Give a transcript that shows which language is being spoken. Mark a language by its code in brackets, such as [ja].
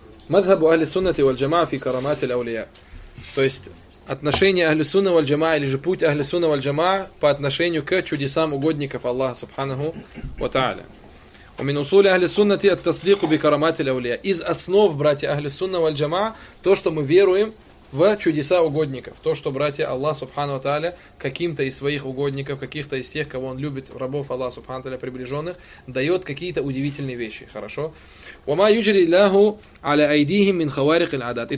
[ar] مذهب أهل السنة والجماعة في كرامات الأولياء. [ru] То есть отношение أهل السنة والجماعة или же путь أهل السنة والجماعة по отношению к чудесам угодников Аллаха Субханаху ва Тааля. [ar] ومن أصول أهل السنة التصديق بكرامات الأولياء. [ru] Из основ братья أهل السنة والجماعة то, что мы веруем в чудеса угодников, то, что братья Аллах Субханаху ва Тааля каким-то из своих угодников, каких-то из тех, кого он любит, рабов Аллах Субханаху ва Тааля, приближенных, дает какие-то удивительные вещи. [ar] Хорошо? وَمَا يُجْرِي لَهُ عَلَى أَيْدِيهِمْ مِنْ خَوَارِقِ الْعَدَاتِ.